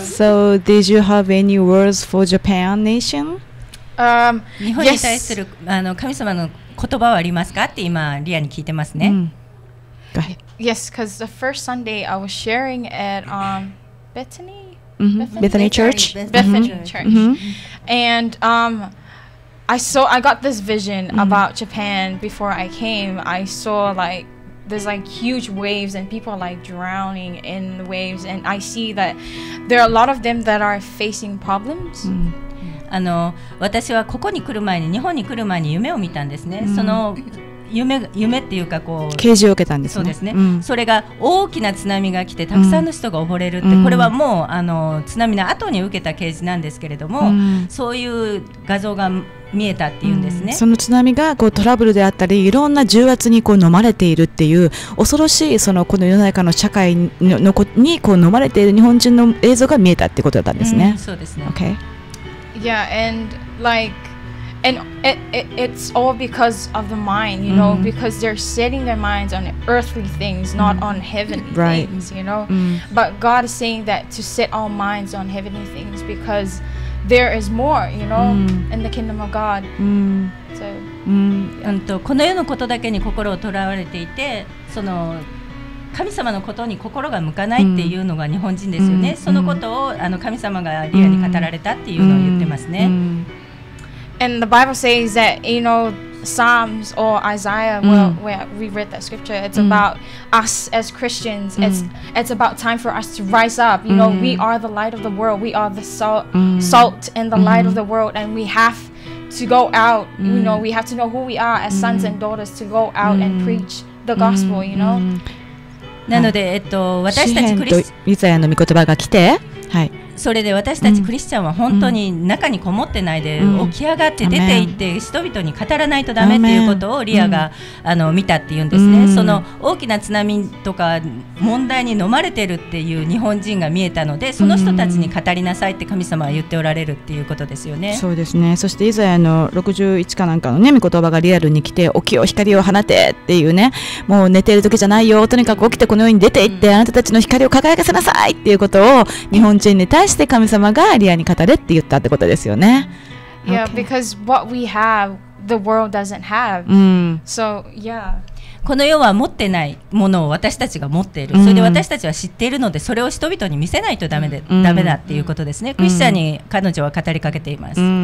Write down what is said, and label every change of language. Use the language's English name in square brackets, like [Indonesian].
[English] So did you have any words for Japan nation? [Japanese] 日本に対する、yes. あの神様の言葉はありますかって今リアに聞いてますね。 Mm. [English] Yes, because the first Sunday I was sharing at Bethany? Mm-hmm. Bethany Church. Bethany Church. Mm-hmm. And I got this vision about Japan before I came. I saw like there's like huge waves and people are like drowning in the waves. And I see that there are a lot of them that are facing problems. [Japanese] あの私はここに来る前に日本に来る前に夢を見たんですね、うん、その夢っていうかこう啓示を受けたんですね、そうですね、うん、それが大きな津波が来てたくさんの人が溺れるって、うん、これはもうあの津波の後に受けた啓示なんですけれども、うん、そういう画像が見えたっていうんですね、うん、その津波がこうトラブルであったりいろんな重圧にこう飲まれているっていう恐ろしいそのこの世の中の社会のこにこう飲まれている日本人の映像が見えたってことだったんですね、うん、そうですね、 [English] okay. Yeah, and like, and it's all because of the mind, you know, because they're setting their minds on earthly things, not on heavenly right. things, you know. But God is saying that to set our minds on heavenly things because there is more, you know, in the kingdom of God. [Japanese] So, この世のことだけに心をとらわれていて、その神様のことに心が向かないっていうのが日本人ですよね、うん、そのことをあの神様がリアに語られたっていうのを言ってますね、 [English] うん、And the Bible says that, you know, Psalms or Isaiah, where we read that scripture, it's about us as Christians, it's about time for us to rise up, you know, we are the light of the world, we are the salt and the light of the world, and we haveTo go out, you know, we have to know who we are as sons and daughters to go out and preach the gospel, you know. [Japanese] なので、私たちクリス、イザヤの御言葉が来て、はい。それで私たちクリスチャンは本当に中にこもってないで起き上がって出て行って人々に語らないとダメっていうことをリアがあの見たっていうんですね。その大きな津波とか問題に飲まれてるっていう日本人が見えたので、その人たちに語りなさいって神様は言っておられるっていうことですよね。そうですね。そしてイザヤの61かなんかのね、御言葉がリアルに来て、起きよ光を放てっていうね、もう寝てる時じゃないよ、とにかく起きてこの世に出て行ってあなたたちの光を輝かせなさいっていうことを日本人に対して神様がリアに語れって言ったってことですよね。 [English] Yeah, because what we have, the world doesn't have. So, yeah. [Japanese] この世は持ってないものを私たちが持っている。それで私たちは知っているので、それを人々に見せないとダメで、ダメだっていうことですね。クリスチャンに彼女は語りかけています。